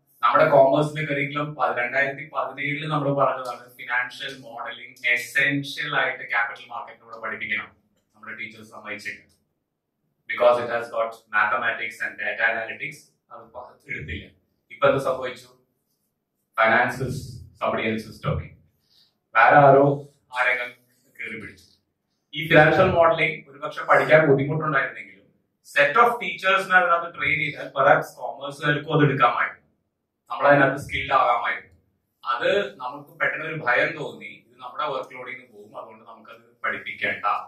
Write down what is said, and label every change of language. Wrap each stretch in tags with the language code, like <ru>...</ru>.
<ml>നമ്മുടെ കോമേഴ്സിലെ കരിക്കുലം 2017 നമ്മൾ പറഞ്ഞതാണ് ഫിനാൻഷ്യൽ മോഡലിംഗ് എസെൻഷ്യൽ ആയിട്ട് ക്യാപിറ്റൽ മാർക്കറ്റിലൂടെ പഠിപ്പിക്കണം നമ്മുടെ teachers സമ്മതിച്ചിട്ട്.</ml> <en>because it has got mathematics and data analytics</en> <ml>അത് എടുത്തില്ല. ഇപ്പൊ എന്ത് സംഭവിച്ചു?</ml> <en>Finances somebody else is talking.</en> <ml>വേറെ ആരോ ആരെങ്കിലും കയറി പിടിച്ചു. ഈ ഫിനാൻഷ്യൽ മോഡലിംഗ് ഒരു പക്ഷെ പഠിക്കാൻ ബുദ്ധിമുട്ടുണ്ടായിരുന്നെങ്കിലും സെറ്റ് ഓഫ് ടീച്ചേഴ്സിനെ അതിനകത്ത് ട്രെയിൻ ചെയ്താൽ പെർഹാപ്സ് കോമേഴ്സുകൾക്കും അത് എടുക്കാമായിരുന്നു, നമ്മളതിനകത്ത് സ്കിൽഡ് ആകാമായിരുന്നു. അത് നമുക്ക് പെട്ടെന്ന് ഒരു ഭയം തോന്നി, ഇത് നമ്മുടെ വർക്ക് ലോഡിൽ നിന്ന് പോകും, അതുകൊണ്ട് നമുക്കത് പഠിപ്പിക്കേണ്ട.</ml>